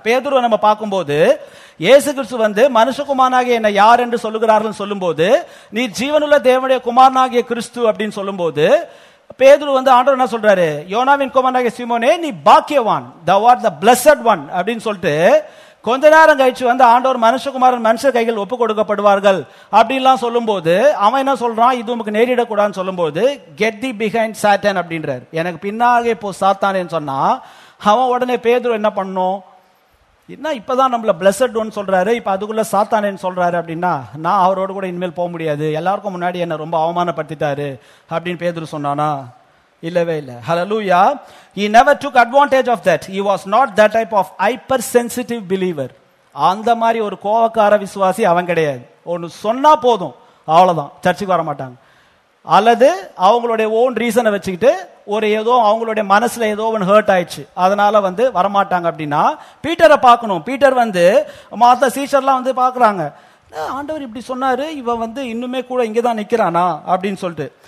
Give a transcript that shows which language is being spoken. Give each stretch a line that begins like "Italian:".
Tamil: பேதுருவை நம்ம பார்க்கும்போது இயேசு கிறிஸ்து வந்து மனுஷகுமாரனாகிய என்ன யார் என்று சொல்லுகிறார்கள் சொல்லும் போது, நீ ஜீவனுள்ள தேவனுடைய குமாரனாகிய கிறிஸ்து அப்படின்னு சொல்லும் போது பேதுரு வந்து ஆண்டவர் என்ன சொல்றாரு, யோனாவின் குமாரனாகிய சீமோனே நீ பாக்கியவான்,
English: thou art the blessed one
Tamil: அப்படின்னு சொல்லிட்டு கொஞ்ச நேரம் கழிச்சு வந்து ஆண்டவர் மனுஷகுமாரன் மனுஷ கைகள் ஒப்பு கொடுக்கப்படுவார்கள் அப்படின்லாம் சொல்லும் போது அவன் என்ன சொல்றான், இது உமக்கு நேரிடக்கூடாதுன்னு சொல்லும் போது
English: get thee behind Satan
Tamil: அப்படின்றார், எனக்கு பின்னாக போ சாத்தான் சொன்னா அவன் உடனே பேதுரு என்ன பண்ணும், என்ன இப்பதான் நம்மள பிளஸட் ஒன் சொல்றாரு, இப்ப அதுக்குள்ள சாத்தானு சொல்றாரு அப்படின்னா நான் அவரோட கூட இனிமேல் போக முடியாது, எல்லாருக்கும் முன்னாடி என்ன ரொம்ப அவமானப்படுத்திட்டாரு அப்படின்னு பேதுரு சொன்னானா, இல்லவே இல்ல.
English: Hallelujah. He never took advantage of that. He was not that type of hypersensitive believer.
Tamil: அந்த மாதிரி ஒரு கோவக்கார விசுவாசி அவன் கிடையாது. ஒன்னு சொன்னா போதும் அவ்வளவுதான், சர்ச்சுக்கு வர மாட்டாங்க. அல்லது அவங்களுடைய ஓன் ரீசனை வச்சுக்கிட்டு ஒரு ஏதோ அவங்களுடைய மனசுல ஏதோ ஒன்று ஹர்ட் ஆயிடுச்சு அதனால வந்து வரமாட்டாங்க அப்படின்னா பீட்டரை பார்க்கணும். பீட்டர் வந்து மாத்த சீஷர்லாம் வந்து பாக்குறாங்க, ஆண்டவர் இப்படி சொன்னாரு, இவன் வந்து இன்னுமே கூட இங்கதான் நிக்கிறானா அப்படின்னு சொல்லிட்டு.